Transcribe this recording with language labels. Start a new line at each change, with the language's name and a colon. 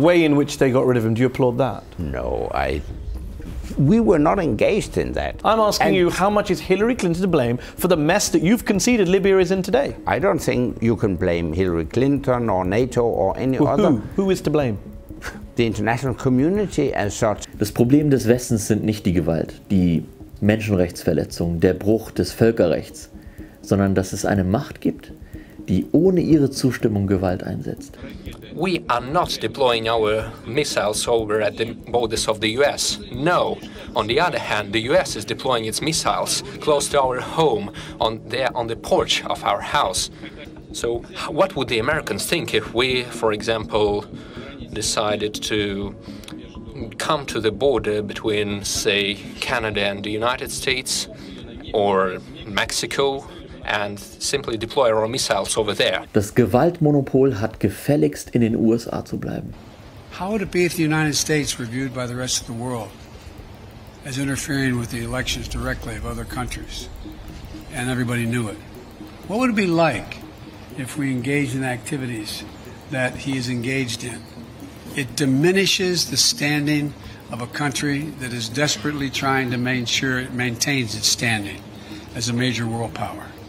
English: The way in which they got rid of him, do you applaud that? No, I... We were not engaged in that. I'm asking you, how much is Hillary Clinton to blame for the mess that you've conceded Libya is in today? I don't think you can blame Hillary Clinton or NATO or any other. Who is to blame? The international community as such.
German: Das Problem des Westens sind nicht die Gewalt, die Menschenrechtsverletzungen, der Bruch des Völkerrechts, sondern dass es eine Macht gibt, die ohne ihre Zustimmung Gewalt einsetzt.
English: We are not deploying our missiles over at the borders of the US. No. On the other hand, the US is deploying its missiles close to our home, on the porch of our house. So what would the Americans think if we, for example, decided to come to the border between, say, Canada and the United States or Mexico? And simply deploy our missiles over there.
German: Das Gewaltmonopol hat gefälligst in den USA zu bleiben.
English: How would it be if the United States were viewed by the rest of the world as interfering with the elections directly of other countries and everybody knew it? What would it be like if we engaged in activities that he is engaged in? It diminishes the standing of a country that is desperately trying to make sure it maintains its standing as a major world power.